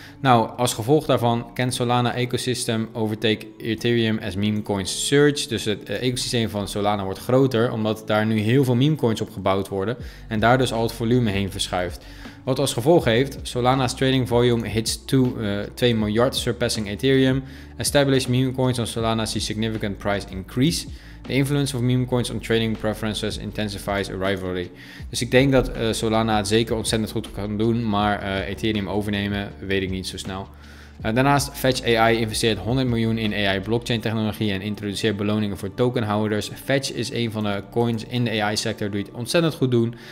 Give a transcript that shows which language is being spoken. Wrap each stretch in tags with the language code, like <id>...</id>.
<nl>Nou, als gevolg daarvan kan</nl> <en>Solana ecosystem overtake Ethereum as meme coins surge.</en> <nl>Dus het ecosysteem van Solana wordt groter omdat daar nu heel veel meme coins op gebouwd worden. En daar dus al het volume heen verschuift. Wat als gevolg heeft,</nl> <en>Solana's trading volume hits 2 miljard surpassing Ethereum. Established meme coins on Solana see significant price increase. The influence of meme coins on trading preferences intensifies a rivalry.</en> <nl>Dus ik denk dat Solana het zeker ontzettend goed kan doen, maar Ethereum overnemen weet ik niet zo snel. Daarnaast, Fetch AI investeert 100 miljoen in AI blockchain technologie en introduceert beloningen voor tokenhouders. Fetch is een van de coins in de AI sector die het ontzettend goed doen.</nl>